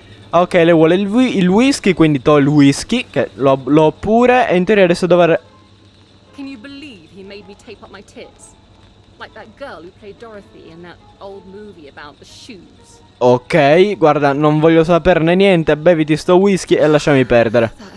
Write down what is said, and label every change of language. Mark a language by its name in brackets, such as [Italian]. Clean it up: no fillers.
[Italian] Ok, lei vuole il whisky, quindi to il whisky, che l'ho pure, e in teoria adesso dovrei. [English] Can you believe he made me tape up my tits? Like that girl who played Dorothy in that old movie about the shoes. [Italian] Ok, guarda, non voglio saperne niente, beviti sto whisky e lasciami perdere.